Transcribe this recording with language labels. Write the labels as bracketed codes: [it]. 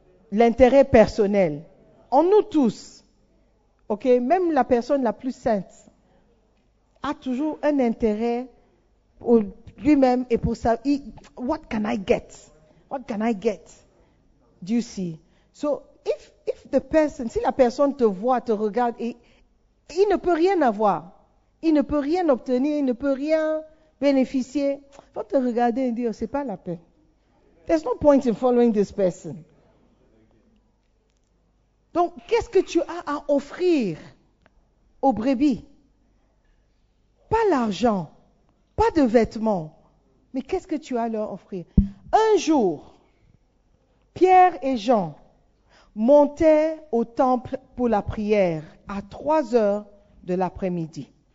[fr] L'intérêt personnel. En nous tous, ok, même la personne la plus sainte a toujours un intérêt pour lui-même et pour sa vie. [en] What can I get? What can I get? Do you see? So, if the person, [fr] si la personne te voit, te regarde, et il ne peut rien avoir. Il ne peut rien obtenir, il ne peut rien bénéficier. Il faut te regarder et dire, c'est pas la peine. [en] There's no point in following this person. [fr] Donc, qu'est-ce que tu as à offrir aux brebis? Pas l'argent, pas de vêtements, mais qu'est-ce que tu as à leur offrir? Un jour, Pierre et Jean montaient au temple pour la prière à 3 heures de l'après-midi.